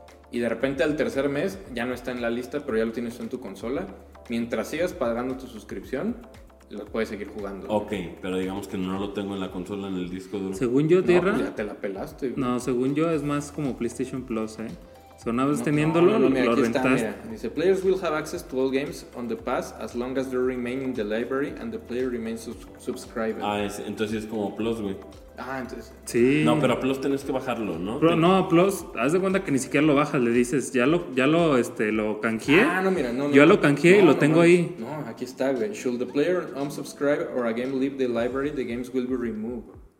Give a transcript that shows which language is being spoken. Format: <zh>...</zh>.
<es>Y de repente al tercer mes ya no está en la lista, pero ya lo tienes en tu consola. Mientras sigas pagando tu suscripción, lo puedes seguir jugando. Ok, pero digamos que no lo tengo en la consola, en el disco duro. Según yo, Tierra... No, ya te la pelaste. Güey. No, según yo, es más como PlayStation Plus, ¿eh? So, una vez teniéndolo, lo rentaste. Dice,</es> <en>players will have access to all games on the pass as long as they remain in the library and the player remains subscribed.</en> <es>Entonces es como Plus, güey. Entonces... Sí. No, pero a Plus tienes que bajarlo, ¿no? Pero, no, Plus, haz de cuenta que ni siquiera lo bajas, le dices, ya lo canjeé. Yo lo canjeé y lo tengo ahí. No, aquí está, güey.</es> <en>Should the player unsubscribe or a game leave the library, the games will be removed.</en>